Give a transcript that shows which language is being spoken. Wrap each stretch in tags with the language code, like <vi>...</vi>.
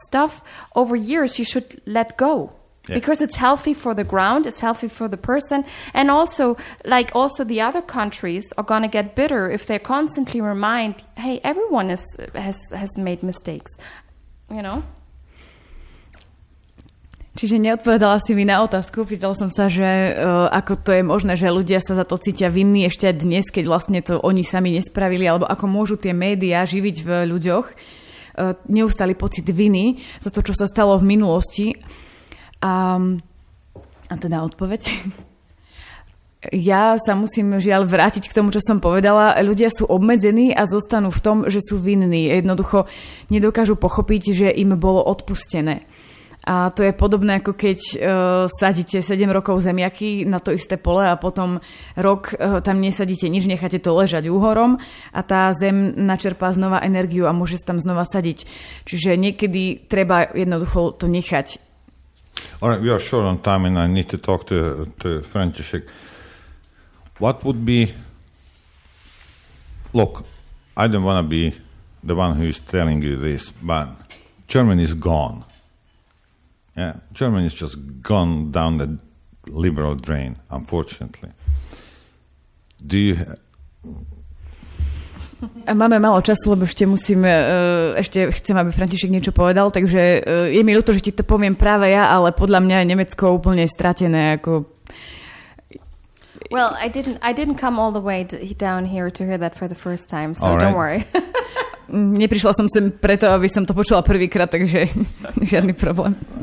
<en>Stuff over years you should let go, because it's healthy for the ground, it's healthy for the person, and also like also the other countries are going to get bitter if they constantly remind, hey, everyone has made mistakes, you know.</en> <sk>Čiže neodpovedala si mi na otázku, pýtala som sa, že ako to je možné, že ľudia sa za to cítia vinní ešte aj dnes, keď vlastne to oni sami nespravili, alebo ako môžu tie médiá živiť v ľuďoch neustály pocit viny za to, čo sa stalo v minulosti. A teda odpoveď. Ja sa musím žiaľ vrátiť k tomu, čo som povedala. Ľudia sú obmedzení a zostanú v tom, že sú vinní. Jednoducho nedokážu pochopiť, že im bolo odpustené. A to je podobné, ako keď sadíte 7 rokov zemiaky na to isté pole a potom rok tam nesadíte nič, necháte to ležať úhorom a tá zem načerpá znova energiu a môže sa tam znova sadiť. Čiže niekedy treba jednoducho to nechať.</sk> <en>All right, we are short on time and I need to talk to František. What would be... Look, I don't want to be the one who is telling you this, but Germany is gone. Yeah, Germany has just gone down the liberal drain, unfortunately. Do you...</en> <sk>Máme málo času, lebo ešte musím, ešte chcem, aby František niečo povedal, takže je mi ľúto, že ti to poviem práve ja, ale podľa mňa je Nemecko úplne stratené, ako...</sk> <en>Well, I didn't come all the way down here to hear that for the first time, so right. Don't worry.</en> <sk>Neprišla som sem preto, aby som to počula prvýkrát, takže žiadny problém.</sk>